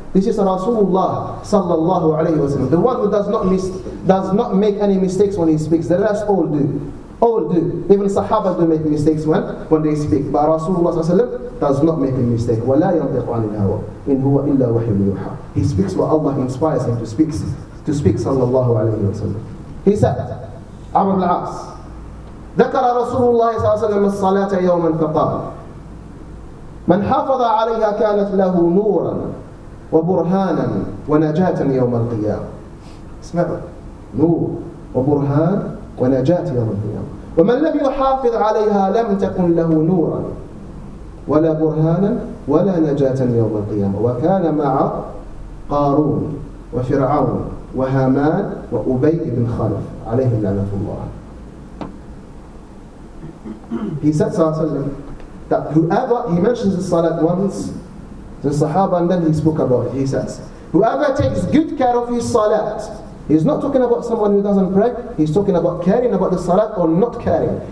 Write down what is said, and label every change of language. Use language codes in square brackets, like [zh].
[en] This is Rasulullah sallallahu alayhi wa sallam. The one who does not make any mistakes when he speaks. The rest all do. All do. Even Sahaba do make mistakes when they speak. But Rasulullah does not make a mistake. [ar] وَلَا يَنْطِقُ عَنِ الْهَوَىٰ إِنْ هُوَ إِلَّا وَحْيٌ يُوحَىٰ. [en] He speaks what Allah inspires him to speak sallallahu alayhi wa sallam. He said, [ar] Amr ibn al-As, ذَكَرَ رَسُولُ اللَّهِ صَلَىٰهِ سَلَىٰهِ الصَّلَاةَ يَوْمًا فَقَالَ مَنْ حَفَظَ عَلَيْهَا كَانَتْ لَهُ نُورًا وَبُرْهَانًا وَنَجَاةً يَوْمَ الْقِيَامَةِ. اسمع. نور وبرهان ونجاة يوم القيامة. ومن لم يحافظ عليها لم تكن له نورا ولا برهانا ولا نجاة يوم القيامة. وكان مع قارون وفرعون وهامان وأبي بن خلف عليه لعنة الله. [en] He said [ar] صلى الله عليه وسلم [en] that whoever, he mentions the salat once, the Sahaba, and then he spoke about it. He says, whoever takes good care of his salat He's not talking about someone who doesn't pray. He's talking about caring about the salat or not caring.